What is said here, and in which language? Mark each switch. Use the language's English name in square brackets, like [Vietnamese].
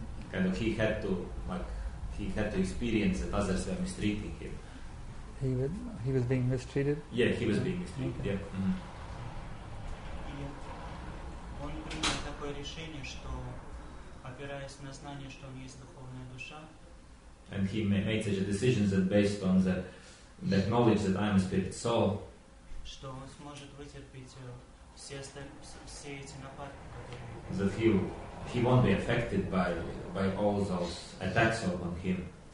[English] Kind of he had to experience that others were mistreating him. He was being mistreated? Yeah, he was being mistreated. Okay. Yeah. [Russian] Он принял такое решение, что опираясь на знание, что у него есть духовная душа. [English] And he made such a decision that based on the that knowledge that I am a spirit soul, [Russian] что он сможет вытерпеть все все эти нападки, которые [English] that he won't be affected by all those attacks on him.